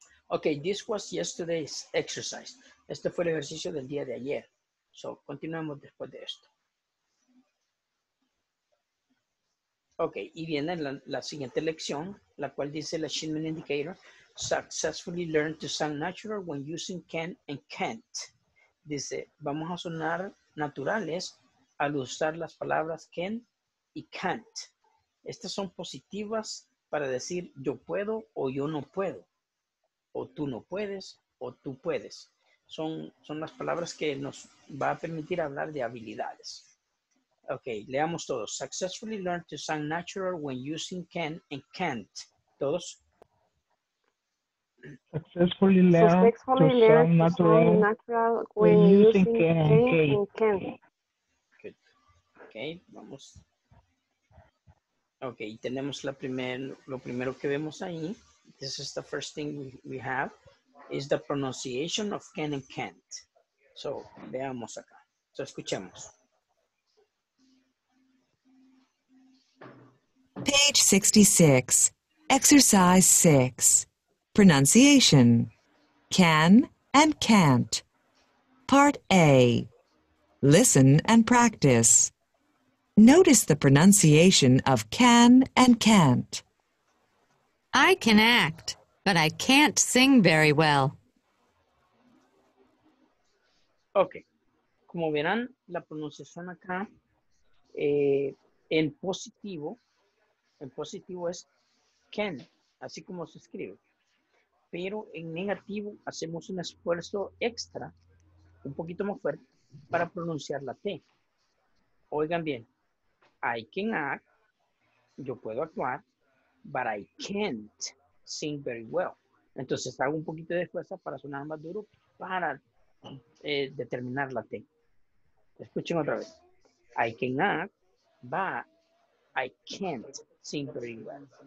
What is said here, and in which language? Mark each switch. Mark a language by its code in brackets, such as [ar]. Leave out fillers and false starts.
[en] Okay, this was yesterday's exercise. [es] Este fue el ejercicio del día de ayer. So, continuamos después de esto. Ok, y viene la siguiente lección, la cual dice el Achievement Indicator. [en] Successfully learn to sound natural when using can and can't. [es] Dice, vamos a sonar naturales al usar las palabras can y can't. Estas son positivas para decir yo puedo o yo no puedo. O tú no puedes o tú puedes. Son las palabras que nos va a permitir hablar de habilidades. Ok, leamos todos. [en] Successfully learn to sound natural when using can and can't. [es] ¿Todos? [en] Successfully learn to sound natural when using can and can't. [es] Good. Ok, vamos. Ok, tenemos lo primero que vemos ahí. [en] This is the first thing we have. Is the pronunciation of can and can't. [es] So, veamos acá. So, escuchemos. [en] Page 66. Exercise 6. Pronunciation. Can and can't. Part A. Listen and practice. Notice the pronunciation of can and can't. I can act, but I can't sing very well. [es] Ok, como verán, la pronunciación acá en positivo es can, así como se escribe. Pero en negativo hacemos un esfuerzo extra, un poquito más fuerte, para pronunciar la T. Oigan bien, [en] I can act, [es] yo puedo actuar, [en] but I can't sing very well. [es] Entonces hago un poquito de esfuerzo para sonar más duro, para determinar la T. Escuchen otra vez. [en] I can act, but I can't sing very well.